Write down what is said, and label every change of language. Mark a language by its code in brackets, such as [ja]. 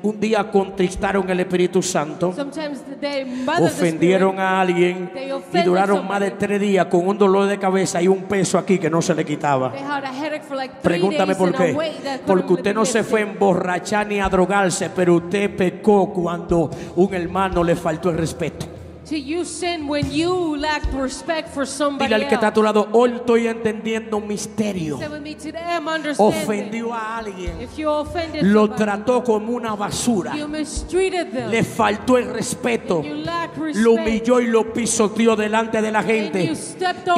[es] Un día contristaron el Espíritu Santo. Ofendieron a alguien. Y duraron más de 3 días con un dolor de cabeza y un peso aquí que no se le quitaba. Pregúntame por qué. Porque usted no se fue a emborrachar ni a drogarse, pero usted pecó cuando un hermano le faltó el respeto. [en] To you sin when you lacked respect for somebody. [es] Dile al que está a tu lado, hoy estoy entendiendo un misterio. Ofendió a alguien. [en] If you offended [es] lo [en] somebody, [es] trató como una basura. [en] You mistreated them. [es] Le faltó el respeto. [en] You lacked respect. [es] Lo humilló y lo pisoteó delante de la gente. [en] And you stepped all